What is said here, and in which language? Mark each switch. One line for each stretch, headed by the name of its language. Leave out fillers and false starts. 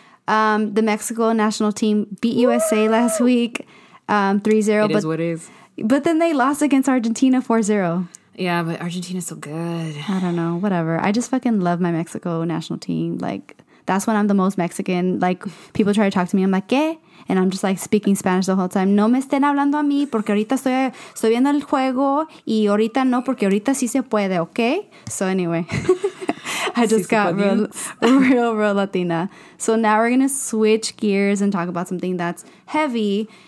English: The Mexico national team beat USA last week. 3-0. It is what it is. But then they lost against Argentina 4-0. Yeah, but Argentina's so good. I don't know. Whatever. I just fucking love my Mexico national team. Like, that's when I'm the most Mexican. Like, people try to talk to me. I'm like,
Spanish: ¿qué?
English: And I'm just, like, speaking Spanish the whole time.
Spanish: No me estén hablando a mí porque ahorita estoy viendo el juego y ahorita no porque ahorita sí se puede, okay?
English: So, anyway. I just got real Latina. So, now we're going to switch gears and talk about something that's heavy.